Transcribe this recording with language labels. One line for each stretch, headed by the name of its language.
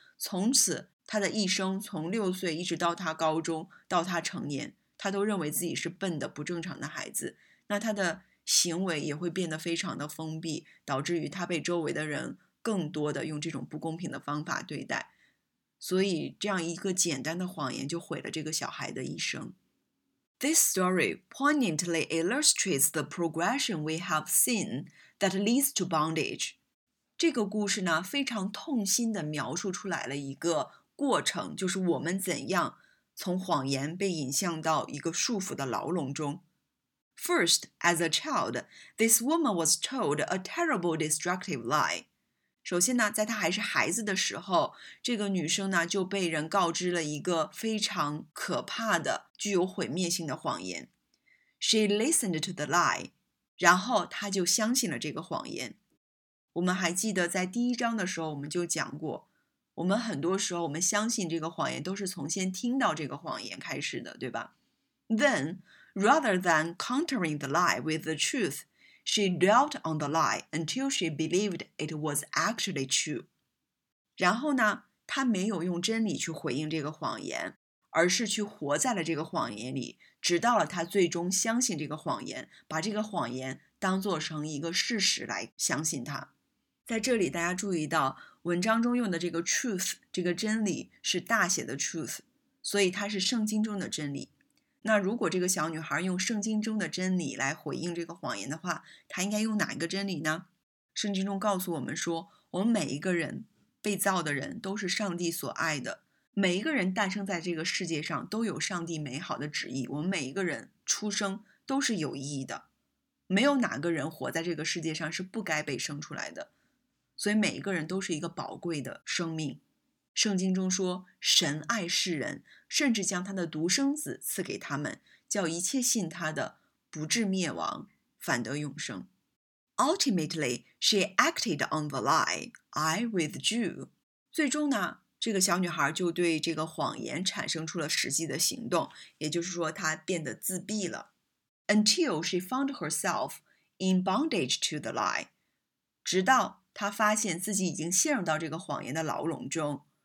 Chinese: 从此他的一生，从六岁一直到他高中到他成年，他都认为自己是笨的不正常的孩子。那他的行为也会变得非常的封闭，导致于他被周围的人更多的用这种不公平的方法对待。所以这样一个简单的谎言就毁了这个小孩的一生。
English: This story poignantly illustrates the progression we have seen that leads to bondage.
Chinese: 这个故事呢，非常痛心地描述出来了一个过程，就是我们怎样从谎言被引向到一个束缚的牢笼中。
English: First, as a child, this woman was told a terrible destructive lie.
Chinese: 首先呢，在她还是孩子的时候，这个女生呢，就被人告知了一个非常可怕的、具有毁灭性的谎言。
English: She listened to the lie.
Chinese: 然后她就相信了这个谎言。我们还记得在第一章的时候，我们就讲过，我们很多时候我们相信这个谎言，都是从先听到这个谎言开始的，对吧？
English: Then,Rather than countering the lie with the truth, she dwelt on the lie until she believed it was actually true.
Chinese: 然后呢，她没有用真理去回应这个谎言，而是去活在了这个谎言里，直到了她最终相信这个谎言，把这个谎言当作成一个事实来相信它。在这里大家注意到，文章中用的这个 truth, 这个真理是大写的 truth, 所以它是圣经中的真理。那如果这个小女孩用圣经中的真理来回应这个谎言的话，她应该用哪一个真理呢？圣经中告诉我们说，我们每一个人，被造的人都是上帝所爱的，每一个人诞生在这个世界上都有上帝美好的旨意，我们每一个人出生都是有意义的，没有哪个人活在这个世界上是不该被生出来的，所以每一个人都是一个宝贵的生命。圣经中说，神爱世人，甚至将他的独生子赐给他们，叫一切信他的不至灭亡，反得永生。
English: Ultimately, she acted on the lie, I withdrew.
Chinese: 最终呢，这个小女孩就对这个谎言产生出了实际的行动，也就是说她变得自闭了。
English: Until she found herself in bondage to the lie.
Chinese: 直到她发现自己已经陷入到这个谎言的牢笼中。